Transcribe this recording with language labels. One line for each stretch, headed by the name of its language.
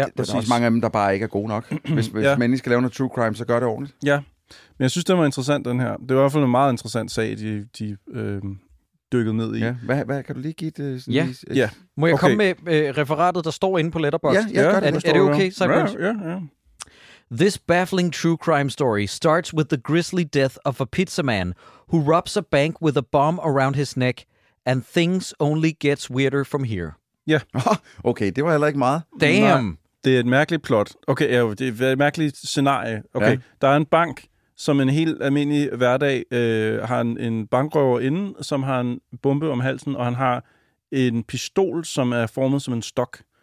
Danish: Der er også mange af dem, der bare ikke er gode nok. Hvis ja, mennesker skal lave noget true crime, så gør det ordentligt. Ja, men jeg synes, det var interessant, den her. Det var i hvert fald en meget interessant sag, de dykkede ned i. Ja. Hvad kan du lige give det? Ja. Ja. Må jeg komme med referatet, der står inde på Letterboxd? Ja, ja, gør det. Er det okay, Cyprus? Ja.
English: This baffling true crime story starts with the grisly death of a pizza man who robs a bank with a bomb around his neck. And things only gets weirder from here.
Danish: Ja. Okay, det var heller ikke meget. Damn. Nej, det er et mærkeligt plot. Okay, ja, det er et mærkeligt scenarie. Okay, ja. Der er en bank, som en helt almindelig hverdag har en bankrøver inde, som har en bombe om halsen, og han har en pistol, som er formet som en stok.